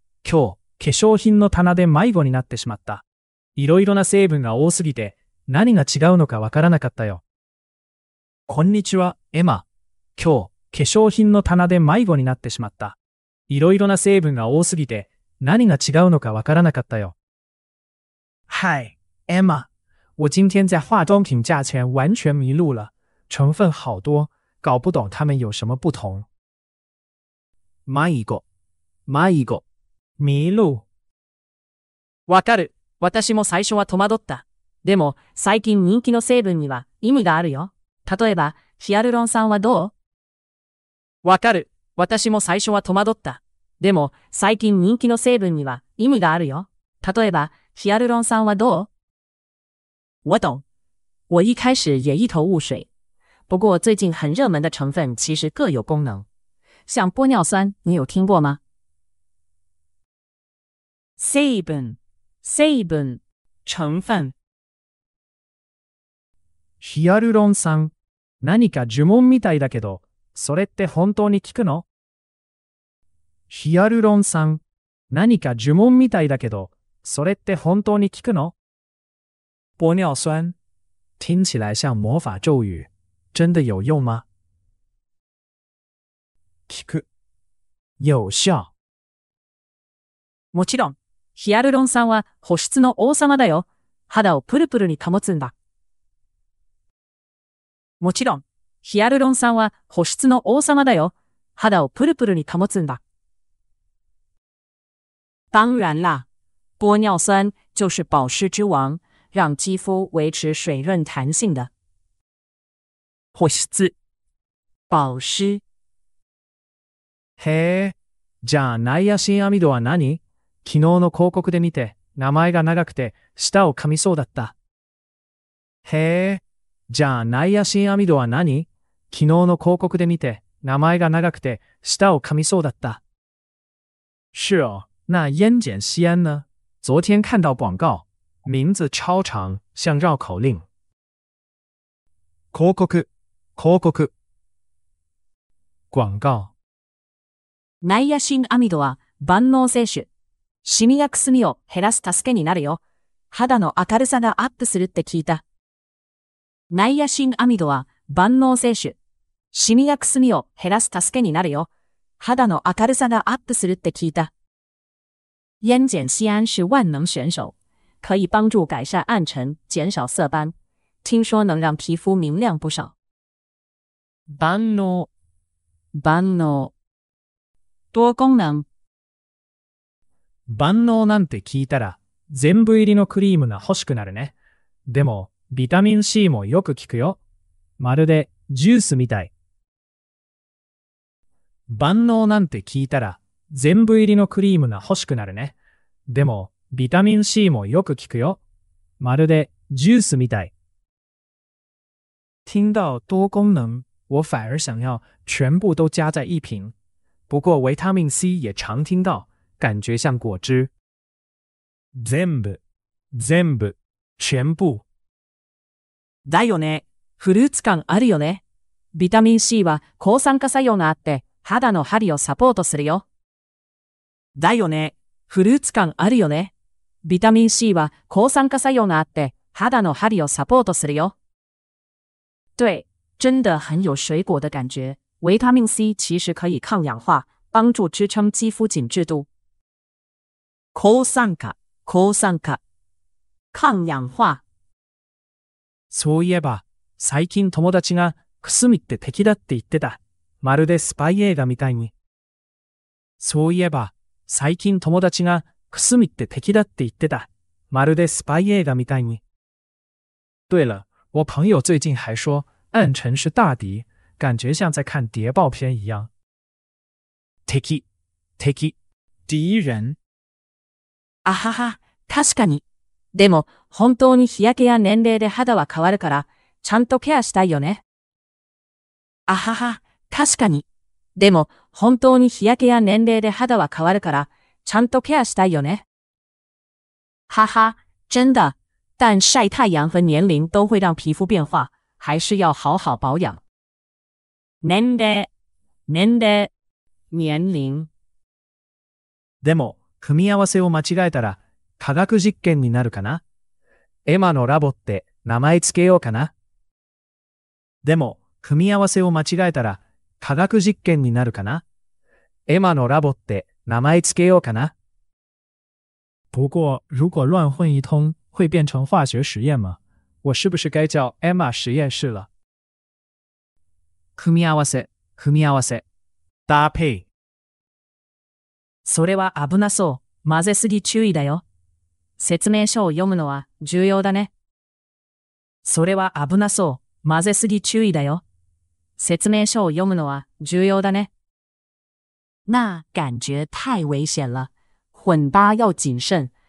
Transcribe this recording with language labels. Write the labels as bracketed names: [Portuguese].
[Japanese] 今日、化粧品の棚で迷子になってしまった。いろいろな成分が多すぎて、何が違うのかわからなかったよ。こんにちは、エマ。今日、化粧品の棚で迷子になってしまった。いろいろな成分が多すぎて、何が違うのかわからなかったよ。はい、エマ。 [Chinese] 我今天在化妆品架前完全迷路了。成分好多、搞不懂他们有什么不同。 [Japanese] 迷子、迷子、 [Chinese] 迷路。 [Japanese] わかる。私も最初は戸惑った。でも、最近人気の成分には意味があるよ。例えば、ヒアルロン酸はどう？わかる。私も最初は戸惑った。でも、最近人気の成分には意味があるよ。例えば、ヒアルロン酸はどう？ [Chinese] 我懂。我一开始也一头雾水。不过最近很热门的成分其实各有功能。像玻尿酸、你有听过吗？ [Japanese] 成分、成分。ヒアルロン酸。何か呪文みたいだけど、それって本当に効くの？ヒアルロン酸。何か呪文みたいだけど、それって本当に効くの？ [Chinese] 玻尿酸。听起来像魔法咒语。真的有用吗？ [Japanese] 効く。 [Chinese] 有效。 [Japanese] もちろん、ヒアルロン酸は保湿の王様だよ。肌をプルプルに保つんだ。もちろん、ヒアルロン酸は保湿の王様だよ。肌をプルプルに保つんだ。 [Chinese] 当然啦。玻尿酸就是保湿之王、让肌肤维持水润弹性的。 [Japanese] 保湿。 [Chinese] 保湿。 [Japanese] へえ、じゃあナイアシンアミドは何？昨日の広告で見て、名前が長くて舌を噛みそうだった。へえ。じゃあナイアシンアミドは何？昨日の広告で見て、名前が長くて舌を噛みそうだった。 [Chinese] 是哦、那烟碱酰胺呢？昨天看到广告、名字超长、像绕口令。 [Japanese] 広告、広告、 [Chinese] 广告。 [Japanese] ナイアシンアミドは万能摂取。シミやくすみを減らす助けになるよ。肌の明るさがアップするって聞いた。ナイアシンアミドは万能摂取。シミやくすみを減らす助けになるよ。肌の明るさがアップするって聞いた。 [Chinese] 烟碱酰胺是万能选手，可以帮助改善暗沉，减少色斑。听说能让皮肤明亮不少。 [Japanese] 万能，万能， [Chinese] 多功能。 [Japanese] 万能なんて聞いたら、全部入りのクリームが欲しくなるね。でも、ビタミン C もよく効くよ。まるでジュースみたい。万能なんて聞いたら、全部入りのクリームが欲しくなるね。でも、ビタミン C もよく効くよ。まるでジュースみたい。 [Chinese] 听到多功能，我反而想要全部都加在一瓶。不过维他命 C 也常听到，感觉像果汁。 [Japanese] 全部、全部、全部。だよね。フルーツ感あるよね。ビタミン C は抗酸化作用があって、肌の張りをサポートするよ。だよね。フルーツ感あるよね。ビタミン C は抗酸化作用があって、肌の張りをサポートするよ。 [Chinese] 对，真的很有水果的感觉。维他命 C 其实可以抗氧化，帮助支撑肌肤紧致度。 [Japanese] 抗酸化，抗酸化， [Chinese] 抗氧化。 [Japanese] そういえば、最近友達がくすみって敵だって言ってた。まるでスパイ映画みたいに。そういえば、最近友達がくすみって敵だって言ってた。まるでスパイ映画みたいに。 [Chinese] 对了。我朋友最近还说暗沉是大敌，感觉像在看谍报片一样。 [Japanese] 敵、敵、 [Chinese] 敌人。 [Japanese] あはは、確かに。でも本当に日焼けや年齢で肌は変わるから、ちゃんとケアしたいよね。あはは、確かに。でも本当に日焼けや年齢で肌は変わるから、ちゃんとケアしたいよね。 [Chinese] はは、真的。但晒太阳和年龄都会让皮肤变化，还是要好好保养。 [Japanese] 年齢、年齢、年齢。でも、組み合わせを間違えたら、科学実験になるかな？エマのラボって名前つけようかな？でも、組み合わせを間違えたら、科学実験になるかな？エマのラボって名前つけようかな？ [Chinese] 不过、如果乱混一通、会变成化学实验吗？我是不是该叫 Emma 实验室了？ [Japanese] 組み合わせ、組み合わせ、 [Chinese] 搭配。 [Japanese] それは危なそう。混ぜすぎ注意だよ。説明書を読むのは重要だね。それは危なそう。混ぜすぎ注意だよ。説明書を読むのは重要だね。 [Chinese] 那感觉太危险了，混搭要谨慎。